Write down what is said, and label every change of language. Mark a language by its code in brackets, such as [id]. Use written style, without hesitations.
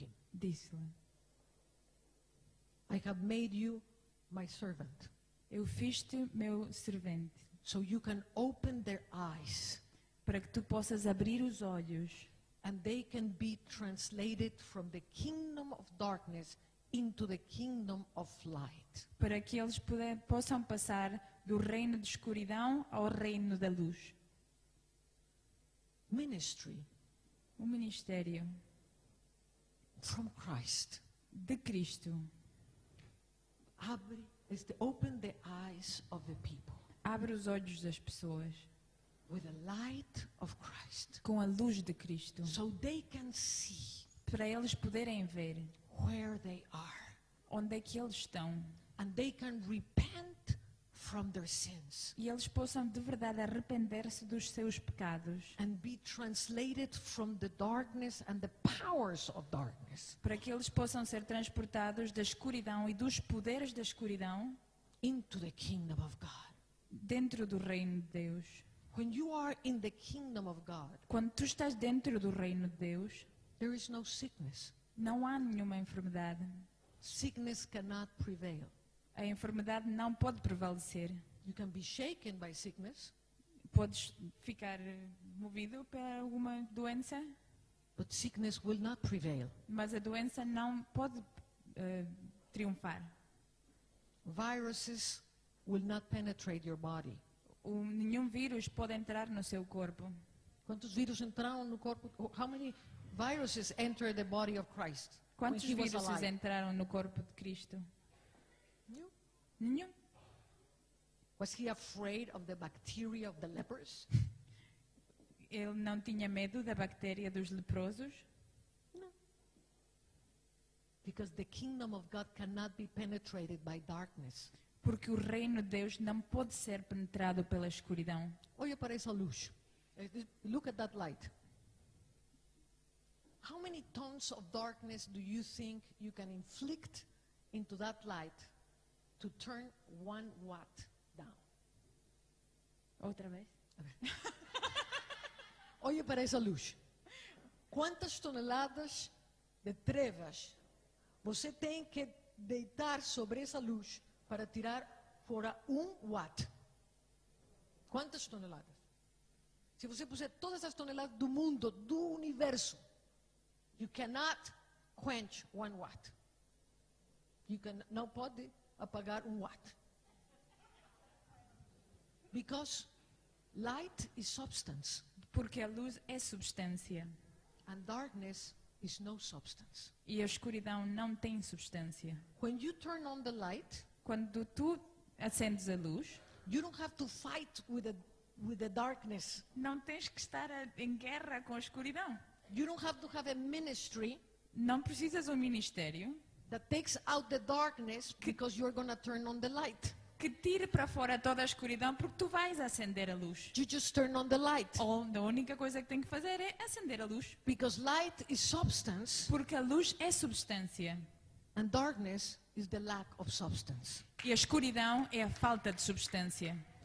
[pt] disse-lhe, [en] I have made you my servant. [pt] Eu fiz-te meu servente. [en] So you can open their eyes. [pt] Para que tu possas abrir os olhos. [en] And they can be translated from the kingdom of darkness into the kingdom of light. [pt] Para que eles possam passar do reino de escuridão ao reino da luz. [en] Ministry. [pt] O ministério. [en] From Christ. [pt] De Cristo. [en] Abre, is to open the eyes of the people. [pt] Abre os olhos das pessoas. [en] With the light of Christ. [pt] Com a luz de Cristo. [en] So they can see. [pt] Para eles poderem ver. [en] Where they are. [pt] Onde é que eles estão. [en] And they can repent from their sins. [pt] E eles possam de verdade arrepender-se dos seus pecados. [en] And be translated from the darkness and the powers of darkness. [pt] Para que eles possam ser transportados da escuridão e dos poderes da escuridão. [en] Into the kingdom of God. [pt] Dentro do reino de Deus. [en] When you are in the kingdom of God. [pt] Quando tu estás dentro do reino de Deus. [en] There is no sickness. [pt] Não há nenhuma enfermidade. [en] Sickness cannot prevail. [pt] A enfermidade não pode prevalecer. [en] You can be shaken by sickness. [pt] Podes ficar movido para alguma doença. [en] But sickness will not prevail. [pt] Mas a doença não pode triunfar. [en] Viruses will not penetrate your body. [pt] Nenhum vírus pode entrar no seu corpo. Quantos vírus entraram no corpo? [en] How many viruses entered the body of Christ? [pt] Quantos vírus entraram no corpo de Cristo? Nenhum. [en] Was he afraid of the bacteria of the lepers? [pt] Ele não tinha medo da bactéria dos leprosos? Não. [en] Because the kingdom of God cannot be penetrated by darkness. [pt] Porque o reino de Deus não pode ser penetrado pela escuridão. Olha para essa luz. [en] Look at that light. How many tons of darkness do you think you can inflict into that light to turn one watt down? [pt] Outra vez? Olha para essa luz. Quantas toneladas de trevas você tem que deitar sobre essa luz para tirar fora um watt? Quantas toneladas? Se você puser todas as toneladas do mundo, do universo, [en] you cannot quench one watt. You can, [pt] não pode apagar um watt. [en] Because light is substance. [pt] Porque a luz é substância. [en] And darkness is no substance. [pt] E a escuridão não tem substância. [en] When you turn on the light, [pt] quando tu acendes a luz, [en] you don't have to fight with the darkness. [pt] Não tens que estar em guerra com a escuridão. [en] You don't have to have a ministry. [pt] Não precisas um ministério. [en] That takes out the darkness because you're going to turn on the light. [pt] Que tire para fora toda a escuridão porque tu vais acender a luz. [en] You just turn on the light. [pt] A única coisa que tem que fazer é acender a luz. [en] Because light is substance. [pt] Porque a luz é substância. [en] And darkness is the lack of substance. [pt] E a escuridão é a falta de substância.